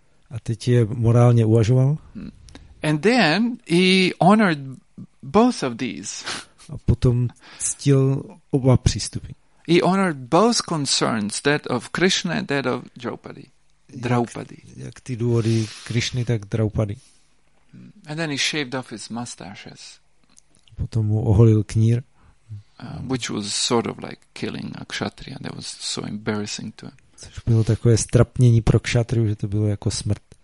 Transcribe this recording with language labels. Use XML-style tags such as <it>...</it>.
<cs>A teď je morálně uvažoval.</cs> <en>And then he honored both of these.</en> <cs>A potom ctil oba přístupy.</cs> <en>He honored both concerns, that of Krishna and that of Draupadi.</en> <cs>Jak ty důvody Krišny, tak Draupadi.</cs> <en>And then he shaved off his mustaches.</en> <cs>Potom mu oholil knír.</cs> <en>Which was sort of like killing a kshatriya, and that was so embarrassing to him.</en> <cs>Což bylo takové strapnění pro kshatriyu, že to bylo jako smrt.</cs>